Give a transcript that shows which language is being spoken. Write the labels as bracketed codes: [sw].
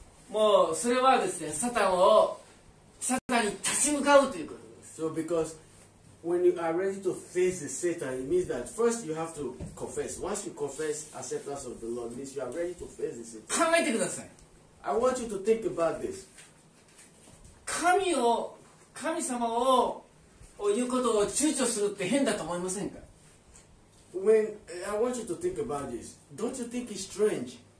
[ja] もうそれはですね、サタンを立ち向かうということです。 [en] So because when you are ready to face the Satan, it means that first you have to confess. Once you confess acceptance of the Lord, means you are ready to face the Satan. [ja] 考えてください。 [en] I want you to think about this. [ja] 神様を言うことを躊躇するって変だと思いませんか？ [en] When I want you to think about this, don't you think it's strange?